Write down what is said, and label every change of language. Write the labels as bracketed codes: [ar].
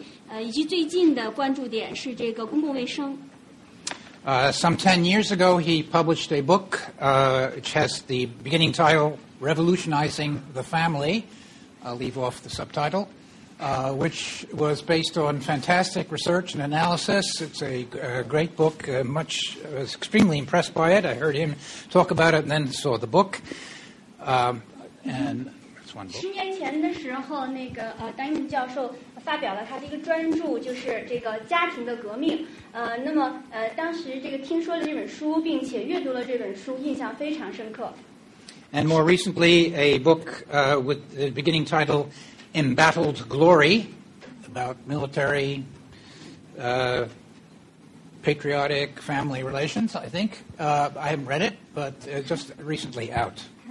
[zh] 他的研究呢，主要是在这个亚洲的法律和社会，那个还有就是居民关系，在中国的居民关系，从比较的角度来研究爱国主义，以及最近的关注点是这个公共卫生。 [en] Some 10 years ago, he published a book which has the beginning title, Revolutionizing the Family. I'll leave off the subtitle, which was based on fantastic research and analysis. It's a great book. I was extremely impressed by it. I heard him talk about it and then saw the book. And [zh] 10年前的时候，那个Diamond教授发表了他的一个专著，就是这个家庭的革命。那么当时这个听说了这本书，并且阅读了这本书，印象非常深刻。And [en] more recently, a book with the beginning title "Embattled Glory," about military, patriotic family relations. I think I haven't read it, but just recently out.